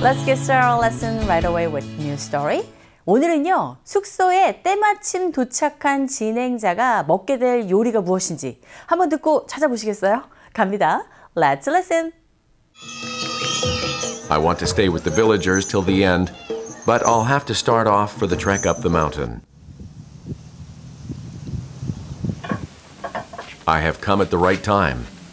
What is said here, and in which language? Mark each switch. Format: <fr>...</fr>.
<en>Let's get started our lesson right away with new story.</en> <ko>오늘은요 숙소에 때마침 도착한 진행자가 먹게 될 요리가 무엇인지 한번 듣고 찾아보시겠어요? 갑니다.</ko> <en>Let's listen. I want to stay with the villagers till the end, but I'll have to start off for the trek up the mountain. I have come at the right time.</en>